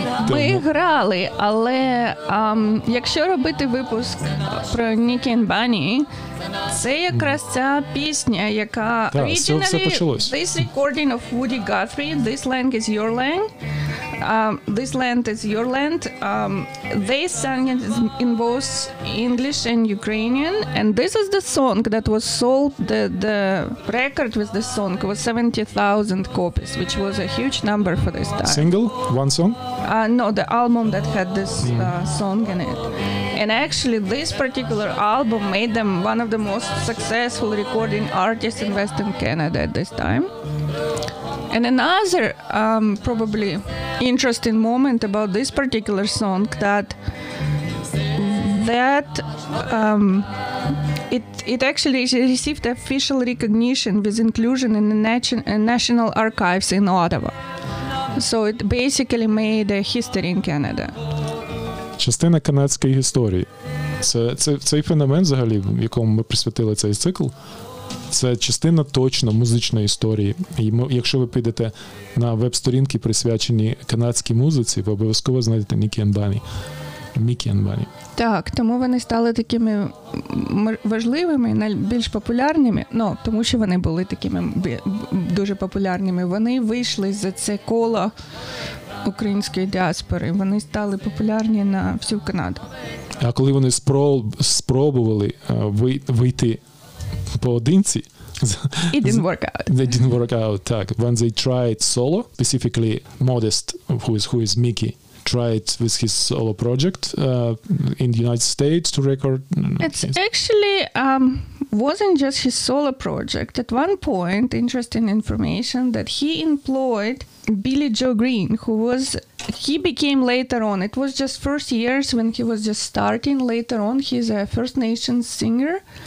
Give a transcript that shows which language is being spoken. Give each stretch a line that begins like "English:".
Ukrainian: Ми грали, але якщо робити випуск про Nicki & Bunny, це якраз ця пісня, яка... Так, все почалось.
English: This recording of Woody Guthrie, This Land is Your Land, This Land is Your Land, they sang it in both English and Ukrainian, and this is the song that was sold, the record with the song was 70,000 copies, which was a huge number for this time. Single? One song? No, the album that had this song in it. And actually, this particular album made them one of the most successful recording artists in Western Canada at this time. And another probably interesting moment about this particular song that it actually received official recognition with inclusion in the National Archives in Ottawa. So it basically made a history in Canada.
Ukrainian: Частина канадської історії. Це цей феномен взагалі, якому ми присвятили цей цикл. Це частина точно музичної історії. І якщо ви підете на веб-сторінки, присвячені канадській музиці, ви обов'язково знайдете Nicki & Bunny. Nicki & Bunny. Так, тому вони стали такими важливими, найбільш популярними. Ну, тому що вони були такими дуже популярними. Вони вийшли за це коло української діаспори. Вони стали популярні на всю Канаду. А коли вони спробували вийти поодинці.
English: It didn't work out. They didn't work out, так. When they tried solo, specifically Modest, who is Mickey, tried with his solo project in the United States to record. It's actually wasn't just his solo project. At one point, interesting information that he employed Billy Joe Green, who became later on, it was just first years when he was just starting, later on he's a First Nations singer.